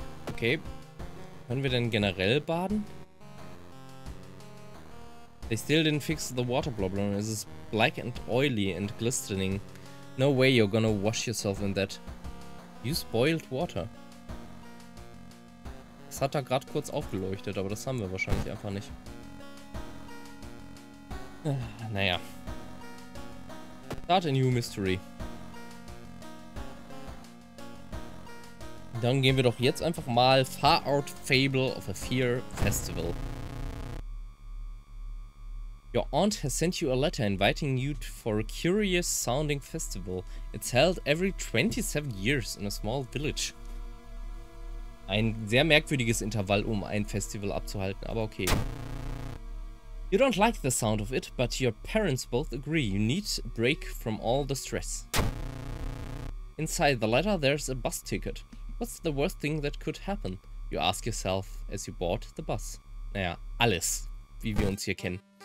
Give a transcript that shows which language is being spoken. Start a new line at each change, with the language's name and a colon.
German: Okay. Können wir denn generell baden?
English: They still didn't fix the water problem. It is black and oily and glistening. No way you're gonna wash yourself in that. Use boiled water.
German: Das hat da gerade kurz aufgeleuchtet, aber das haben wir wahrscheinlich einfach nicht.
English: Naja. Start a new mystery.
German: Dann gehen wir doch jetzt einfach mal Far Out Fable of a Fear Festival.
English: Your aunt has sent you a letter inviting you for a curious sounding festival. It's held every 27 years in a small village.
German: Ein sehr merkwürdiges Intervall, um ein Festival abzuhalten, aber okay.
English: You don't like the sound of it, but your parents both agree you need a break from all the stress. Inside the letter there's a bus ticket. What's the worst thing that could happen? You ask yourself as you board the bus.
German: Naja, alles, wie wir uns hier kennen.